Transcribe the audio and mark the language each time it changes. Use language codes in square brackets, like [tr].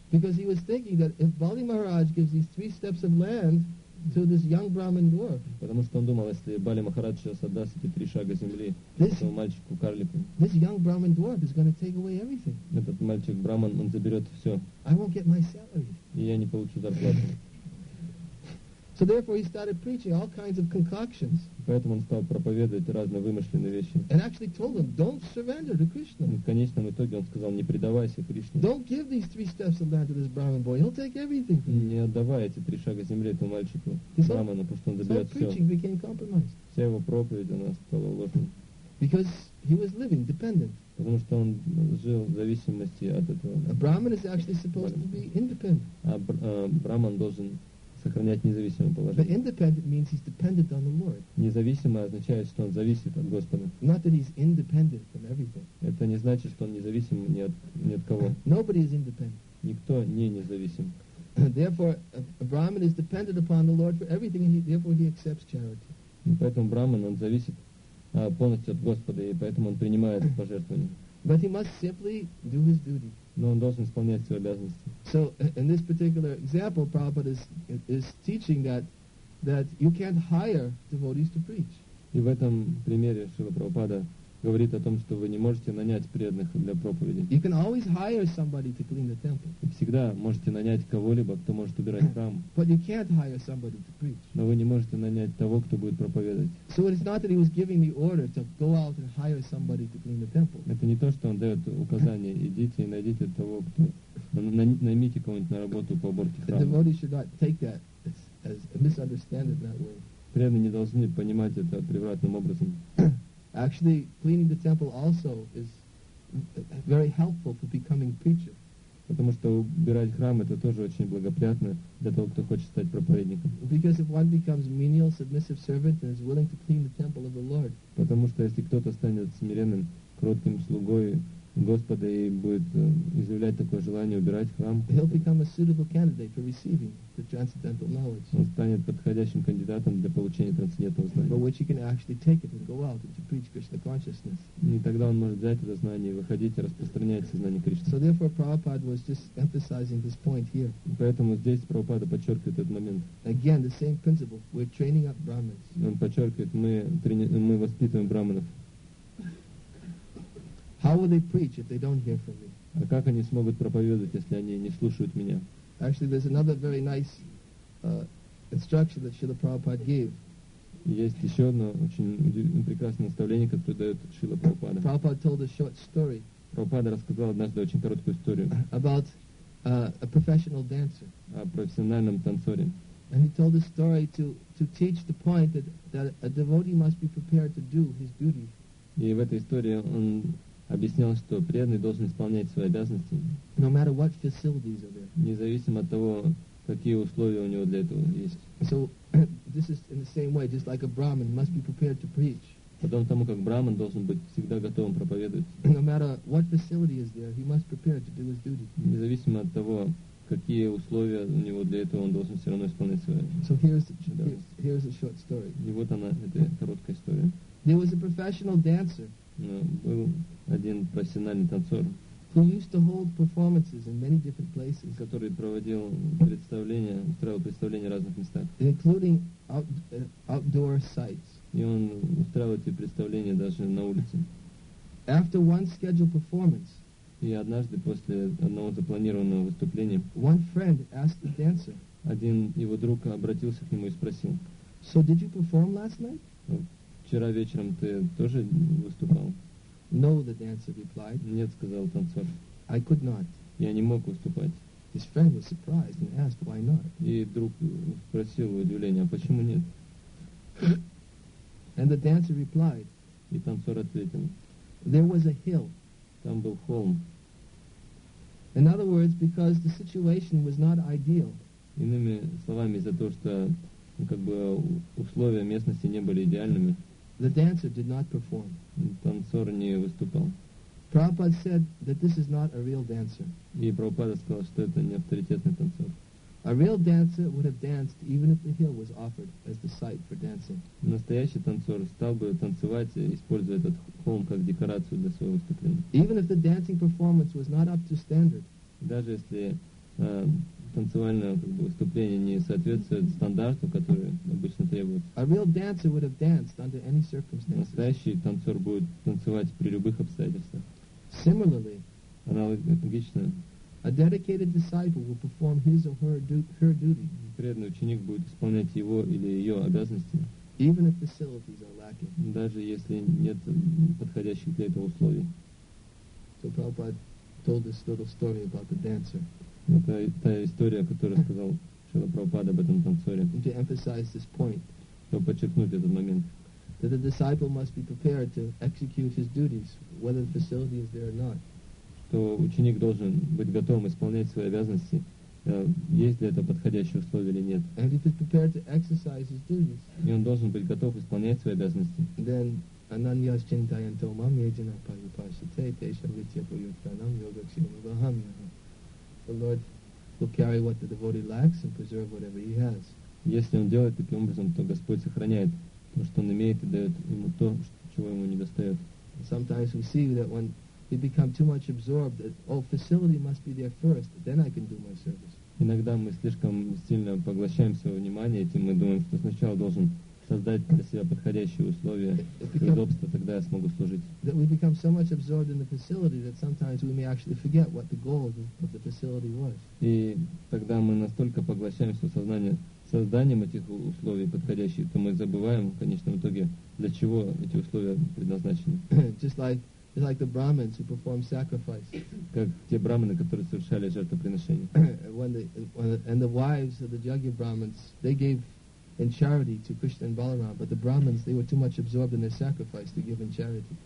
[en] Because he was thinking that if Bali Maharaj gives these three steps of land to this young Brahmin dwarf. [ru] Потому что он думал, если Бали Махарадж сейчас отдаст эти три шага земли этому мальчику карлику. [en] This young Brahmin dwarf is going to take away everything. [ru] Этот мальчик Брахман, он заберет все. [en] I won't get my salary. [ru] И я не получу зарплату. [en] So therefore he started preaching all kinds of concoctions. [ru] Поэтому он стал проповедовать разные вымышленные вещи. [en] And actually told them, don't surrender to Krishna. [ru] И в конечном итоге он сказал, не предавайся Кришне. [en] Don't give these three steps of land to this Brahmin boy. He'll take everything from you. [ru] Не отдавай эти три шага земли этому мальчику, Брахману, потому что он заберет все. [en] So preaching became compromised. [ru] Вся его проповедь, она стала ложной. [en] Because he was living dependent. [ru] Потому что он жил в зависимости от этого. [en] A Brahmin is actually supposed to be independent. [ru] Брахман должен сохранять независимое положение. [en] But independent means he's dependent on the Lord. [ru] Независимое означает, что он зависит от Господа. [en] Not that he's independent from everything. [ru] Это не значит, что он независим ни от кого. [en] Nobody is independent. [ru] Никто не независим. [en] Therefore, a Brahmin is dependent upon the Lord for everything, and therefore he accepts charity. [ru] Поэтому Брахман, он зависит полностью от Господа, и поэтому он принимает пожертвования. [en] But he must simply do his duty. [ru] Но он должен исполнять свои обязанности. [en] So in this particular example, Prabhupada is teaching that you can't hire devotees to preach. [ru] И в этом примере Шрила Прабхупада говорит о том, что вы не можете нанять преданных для проповеди. [en] You can always hire somebody to clean the temple. [ru] Вы всегда можете нанять кого-либо, кто может убирать храм. [en] But you can't hire somebody to preach. [ru] Но вы не можете нанять того, кто будет проповедовать. [en] So it's not that he was giving the order to go out and hire somebody to clean the temple. [ru] Это не то, что он дает указание, идите и найдите того, кто наймите кого-нибудь на работу по уборке храма. [en] The devotee should not take that as misunderstand it that way. [ru] Преданные не должны понимать это превратным образом. [en] Actually, cleaning the temple also is very helpful for becoming preacher. [ru] Потому что убирать храм это тоже очень благоприятно для того, кто хочет стать проповедником. [en] Because if one becomes menial, submissive servant and is willing to clean the temple of the Lord. [ru] Потому что если кто-то станет смиренным, кротким слугой Господа и будет изъявлять такое желание убирать храм. [en] He'll become a suitable candidate for receiving the transcendental knowledge. [ru] Он станет подходящим кандидатом для получения трансцендентного знания. [en] For which he can actually take it and go out and to preach Krishna consciousness. [ru] И тогда он может взять это знание и выходить и распространять сознание Кришны. [en] So therefore Prabhupada was just emphasizing this point here. [ru] Поэтому здесь Прабхупада подчеркивает этот момент. [en] Again, the same principle. We're training up Brahmins. [ru] Он подчеркивает, мы воспитываем брахманов. [en] How will they preach if they don't hear from me? [ru] А как они смогут проповедовать, если они не слушают меня? [en] Actually, there's another very nice instruction that Srila Prabhupada gave. [ru] Есть еще одно очень прекрасное наставление, которое дает Шрила Прабхупада. [en] Prabhupada told a short story. [ru] Прабхупада рассказал однажды очень короткую историю. [en] About a professional dancer. [ru] О профессиональном танцоре. [en] And he told the story to teach the point that a devotee must be prepared to do his duty. [ru] И в этой истории он объяснял, что преданный должен исполнять свои обязанности. [en] No matter what facilities are there. [ru] Независимо от того, какие условия у него для этого есть. [en] So this is in the same way, just like a Brahmin must be prepared to preach. [ru] Потом тому, как Брахман должен быть всегда готовым проповедовать. [en] No matter what facility is there, he must prepare to do his duty. [ru] Независимо от того, какие условия у него для этого, он должен все равно исполнять свои. [en] So here's a short story. [ru] И вот она, эта короткая история. [en] There was a professional dancer. [ru] Был один профессиональный танцор. [en] Who used to hold performances in many different places. [ru] Который проводил представления, устраивал представления в разных местах. [en] Including outdoor sites. [ru] И он устраивал эти представления даже на улице. [en] After one scheduled performance. [ru] И однажды после одного запланированного выступления. [en] One friend asked the dancer. [ru] Один его друг обратился к нему и спросил. [en] So did you perform last night? [ru] Вчера вечером ты тоже выступал? [en] No, the dancer replied. [ru] Нет, сказал танцор. [en] I could not. [ru] Я не мог выступать. [en] His friend was surprised and asked, why not? [ru] И друг спросил удивление, а почему нет? [en] And the dancer replied. [ru] И танцор ответил. [en] There was a hill. [ru] Там был холм. [en] In other words, because the situation was not ideal. [ru] Иными словами, из-за того, что как бы условия местности не были идеальными. [en] The dancer did not perform. [ru] Танцор не выступал. [en] Prabhupada said that this is not a real dancer. [ru] И Прабхупада сказал, что это не авторитетный танцор. [en] A real dancer would have danced even if the hill was offered as the site for dancing. [ru] Настоящий танцор стал бы танцевать, используя этот холм как декорацию для своего выступления. [en] Even if the dancing performance was not up to standard. [ru] Даже если танцевальное как бы, выступление не соответствует стандарту, который обычно требуется. [en] A real dancer would have danced under any circumstances. [ru] Настоящий танцор будет танцевать при любых обстоятельствах. [en] Similarly, [ru] аналогично, [en] a dedicated disciple will perform his or her duty. [ru] Преданный ученик будет исполнять его или ее обязанности. [en] Even if facilities are lacking. [ru] Даже если нет подходящих для этого условий. [en] So Prabhupada told this little story about the dancer. [ru] Это та история, которую сказал Шрила Прабхупада об этом танцоре. [en] To emphasize this point, [ru] чтобы подчеркнуть этот момент. [en] That the disciple must be prepared to execute his duties, whether the facility is there or not. [ru] Что ученик должен быть готовым исполнять свои обязанности, есть ли это подходящее условие или нет. [en] And if he's prepared to exercise his duties, [ru] и он должен быть готов исполнять свои обязанности. [sa] Then ananyas chintayanto mam yajana paripashite tesha vitya puyutranam yogakshima vaham yaha. [en] The Lord will carry what the devotee lacks and preserve whatever he has. [ru] Если он делает таким образом, то Господь сохраняет то, что он имеет, и дает ему то, чего ему не достает. [en] Sometimes we see that when we become too much absorbed, that facility must be there first, then I can do my service. [ru] Иногда мы слишком сильно поглощаем свое внимание этим, мы думаем, что сначала должен создать для себя подходящие условия, удобства, тогда я смогу служить. [en] That we become so much absorbed in the facility that sometimes we may actually forget what the goal of the facility was. [ru] И тогда мы настолько поглощаемся сознанием созданием этих условий подходящих, то мы забываем в конечном итоге, для чего эти условия предназначены. [en] Just like the Brahmins who perform sacrifice. [ru] Как те брахманы, которые совершали жертвоприношение. [en] And the wives of the Jagya Brahmins, they gave in charity to Krishna and Balaram, but the Brahmins, they were too much absorbed in their sacrifice to give in charity.